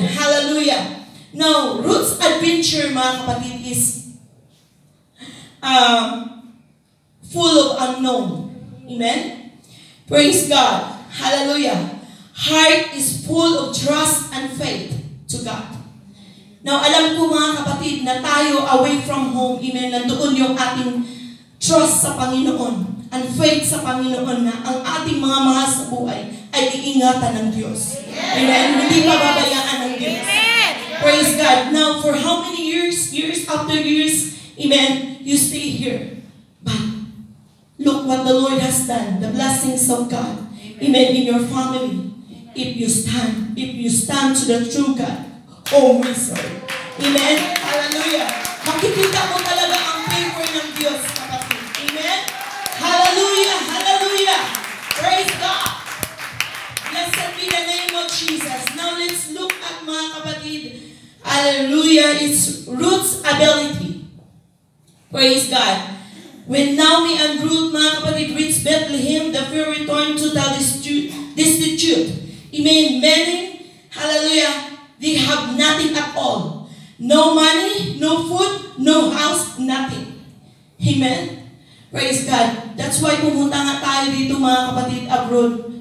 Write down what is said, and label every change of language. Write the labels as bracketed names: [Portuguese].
[English] Hallelujah. Now, Ruth's adventure, [Filipino] mga kapatid, [English] is full of unknown. Amen? Praise God. Hallelujah. Heart is full of trust and faith to God. [Filipino] Now, alam ko, mga kapatid, na tayo [English] away from home, [Filipino] amen, nandoon yung ating trust sa Panginoon and faith sa Panginoon na ang ating mga mahal sa buhay ay iingatan ng Diyos. Amen? Hindi mababayaan ng Diyos. [English] Praise God. Now, for how many years after years, amen, you stay here. But look what the Lord has done, the blessings of God, amen, in your family. If you stand to the true God, always, sorry. Amen? Hallelujah. [Filipino] Makikita mo talaga ang favor ng Diyos, kapatid. [English] Amen? Hallelujah! Hallelujah! Praise God! Blessed be the name of Jesus. Now, let's look at [Filipino] mga kapatid. [English] Hallelujah, it's Ruth's ability. Praise God. When Naomi and Ruth, [Filipino] mga kapatid, [English] reached Bethlehem, the fear returned to the destitute. Amen. Many, hallelujah, they have nothing at all. No money, no food, no house, nothing. Amen. Praise God. [Filipino] That's why pumunta nga tayo dito, mga kapatid, abroad.